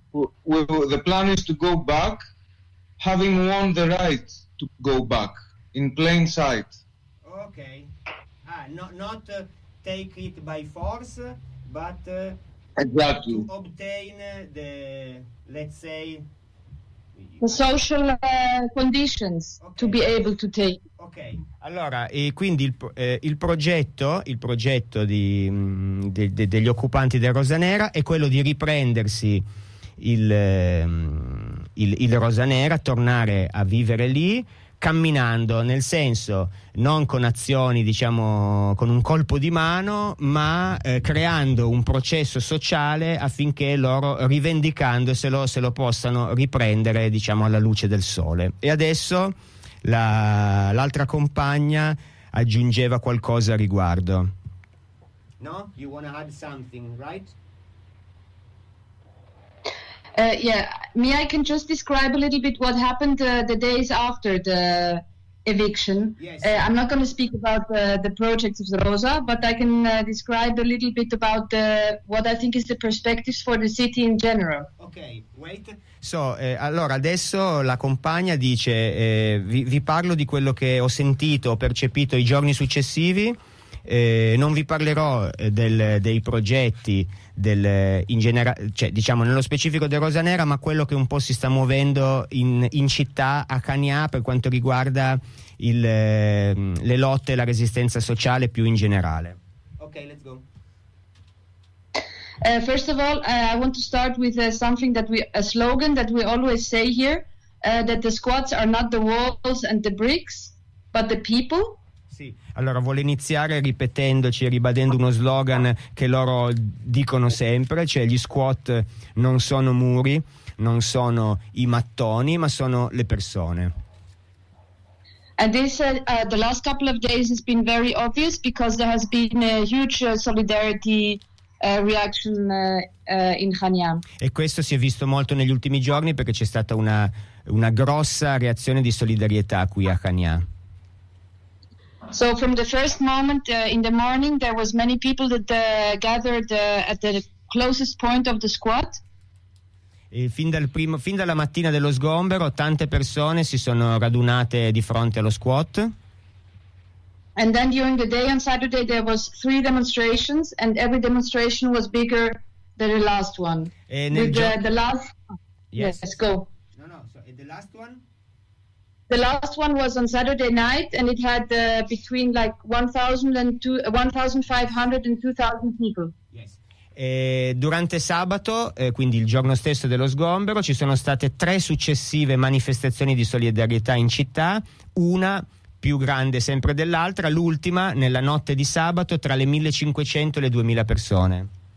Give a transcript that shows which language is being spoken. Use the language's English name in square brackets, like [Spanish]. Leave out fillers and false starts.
[English] The plan is to go back, having won the right to go back in plain sight. Okay. Not take it by force, but exactly. To obtain the, let's say, the social conditions, okay, to be able to take. [Italian] Ok, allora, e quindi il progetto degli occupanti del Rosanera è quello di riprendersi il Rosanera, tornare a vivere lì camminando, nel senso non con azioni, diciamo, con un colpo di mano, ma creando un processo sociale affinché loro, rivendicandoselo, se lo possano riprendere, diciamo, alla luce del sole. E adesso l'altra compagna aggiungeva qualcosa a riguardo. [English] No? You wanna add something, right? I can just describe a little bit what happened the days after the eviction. Yes. I'm not going to speak about the projects of the Rosa, but I can describe a little bit about what I think is the perspectives for the city in general. Okay, wait. [Italian] So, allora adesso la compagna dice, vi parlo di quello che ho sentito, ho percepito i giorni successivi. Non vi parlerò dei progetti del in generale, cioè diciamo nello specifico del Rosanera, ma quello che un po' si sta muovendo in città a Cagnà per quanto riguarda le lotte e la resistenza sociale più in generale. [English] Ok, let's go. First of all, I want to start with something that a slogan that we always say here, that the squats are not the walls and the bricks, but the people. [Italian] Sì, allora vuole iniziare ripetendoci e ribadendo uno slogan che loro dicono sempre, cioè gli squat non sono muri, non sono i mattoni, ma sono le persone. [English] And this the last couple of days has been very obvious because there has been a huge solidarity reaction in Cagnà. [Italian] E questo si è visto molto negli ultimi giorni perché c'è stata una grossa reazione di solidarietà qui a Cagnà. [English] So from the first moment in the morning there was many people that gathered at the closest point of the squat. [Italian] E fin dalla mattina dello sgombero tante persone si sono radunate di fronte allo squat. [English] And then during the day on Saturday there was three demonstrations and every demonstration was bigger than the last one. [Italian] E nel [English] the last yes. Yes, go. No, so the last one? The last one was on Saturday night and it had between like 1,500 and 2,000 people. Yes. [Italian] E durante sabato, quindi il giorno stesso dello sgombero, ci sono state tre successive manifestazioni di solidarietà in città, una più grande sempre dell'altra, l'ultima nella notte di sabato tra le 1500 e le 2000 persone.